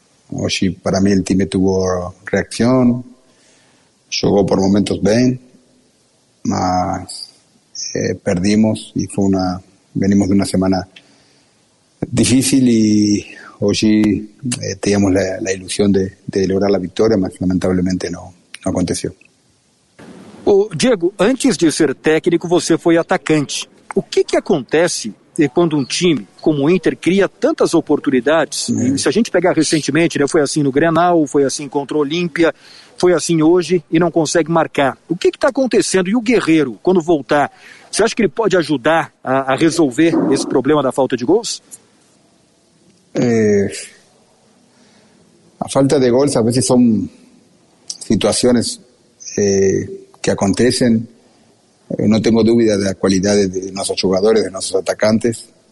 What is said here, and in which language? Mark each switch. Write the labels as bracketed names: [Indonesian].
[Spanish] Hoy para mí el time tuvo reacción, jugó por momentos bien, mas perdimos y venimos de una semana difícil y hoy teníamos la ilusión de lograr la victoria, mas lamentablemente no aconteció. [Portuguese] Ô, Diego, antes de ser técnico, você foi atacante. O que que acontece quando um time como o Inter cria tantas oportunidades? E se a gente pegar recentemente, né, foi assim no Grenal, foi assim contra o Olímpia, foi assim hoje e não consegue marcar. O que que está acontecendo? E o Guerreiro, quando voltar, você acha que ele pode ajudar a resolver esse problema da falta de gols? [Spanish] A falta de gols a veces son situaciones que acontecen. No tengo duda de la cualidad de nuestros jugadores, de nuestros atacantes.